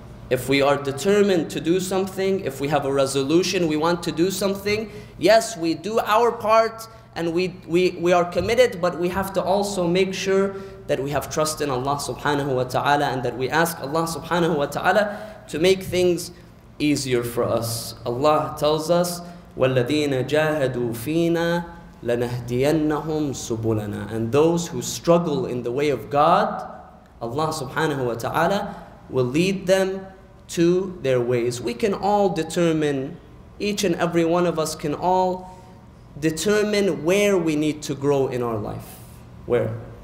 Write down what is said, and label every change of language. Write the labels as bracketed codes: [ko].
[en] If we are determined to do something, if we have a resolution, we want to do something, yes, we do our part, and we are committed, but we have to also make sure that we have trust in Allah subhanahu wa ta'ala, and that we ask Allah subhanahu wa ta'ala to make things easier for us. Allah tells us, [ar] وَالَّذِينَ جَاهَدُوا فِينَا لَنَهْدِيَنَّهُمْ سُبُلَنَا. [en] And those who struggle in the way of God, Allah subhanahu wa ta'ala will lead them to their ways. We can all determine, each and every one of us can all determine where we need to grow in our life. Where?